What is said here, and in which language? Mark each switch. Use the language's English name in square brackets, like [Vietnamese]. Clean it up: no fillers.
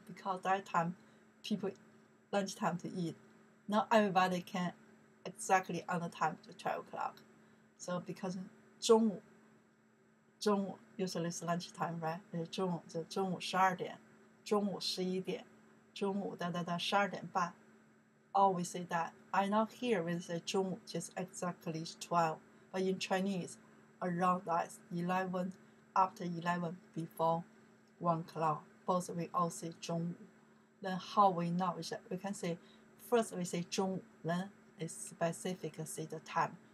[English] Because that time, people lunch time to eat. Not everybody can exactly on the time to 12 o'clock. So because [Chinese] 中午中午 [English] usually is lunch time, right? [Chinese] 中午就中午十二点，中午十一点，中午哒哒哒十二点半。 [English] Always say that. I not hear when say 中午 just exactly 12, but in Chinese, around that 11, after 11, before 1 o'clock. Both we all say 中午.Then how we know is that we can say first we say 中午, then it's specific say the time.